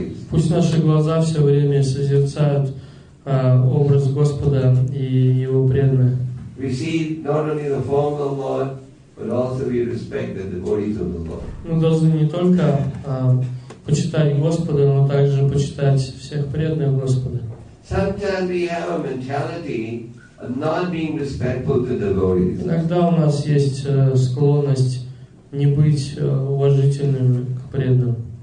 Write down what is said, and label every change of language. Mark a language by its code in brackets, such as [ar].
[ru] Пусть наши глаза все время созерцают образ Господа и Его преданных. [en] We see not only the form of the Lord, but also we respect the devotees of the Lord. [ru] Мы должны не только почитать Господа, но также почитать всех преданных Господа. [en] Sometimes we have a mentality of not being respectful to devotees. [ru] Иногда у нас есть склонность не быть уважительным к преданным.